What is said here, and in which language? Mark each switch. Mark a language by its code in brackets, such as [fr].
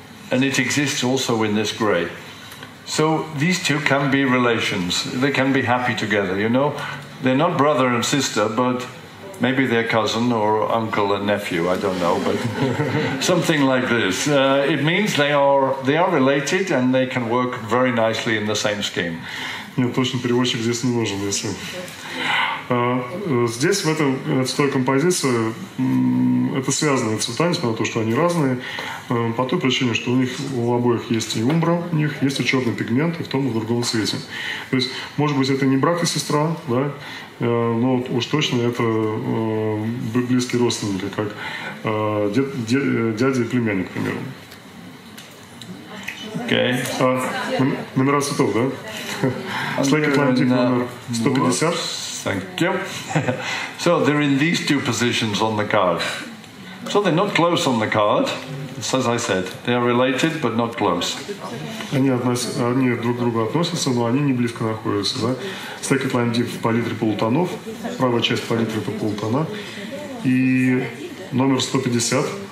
[en] And it exists also in this gray. So these two can be relations. They can be happy together, you know. They're not brother and sister, but maybe they're cousin or uncle and nephew, I don't know, but something like this. It means they are related and they can work very nicely in the same scheme. [ru] Нет, точно переводчик здесь не нужен, если. Здесь, в этой цветовой композиции, это связанные цвета, несмотря на то, что они разные, по той причине, что у них у обоих есть и умбра, у них есть и черный пигмент, и в том и в другом цвете. То есть, может быть, это не брат и сестра, да, но уж точно это близкие родственники, как дядя и племянник, к примеру. [en] Okay. [ru] Номера цветов, да? Slick Atlantic number 150. [en] Thank you. So they're in these two positions on the card. So they're not close on the card. It's as I said, they are related, but not close. [ru] Они друг к другу относятся, но они не близко находятся, да? Slick Atlantic в палитре полутонов, правая часть палитры это полутона, и номер 150.